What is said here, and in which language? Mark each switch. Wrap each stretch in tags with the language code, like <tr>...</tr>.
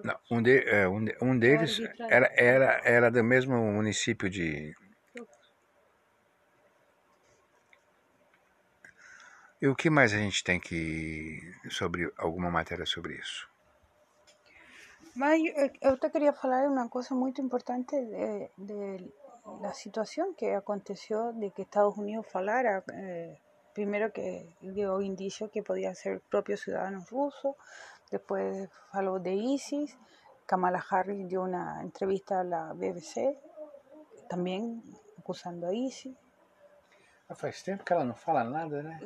<pt>Um deles era do mesmo município de... E o que mais a gente tem que... sobre alguma matéria sobre isso? Mas eu te queria falar uma coisa muito importante de...</pt> <es>La situación que aconteció de que Estados Unidos falara, primero que dio indicio que podía ser propios ciudadanos rusos, después habló de ISIS, Kamala Harris dio una entrevista a la BBC, también acusando a ISIS.</es> <pt>Faz tempo que ela não fala nada, né?</pt>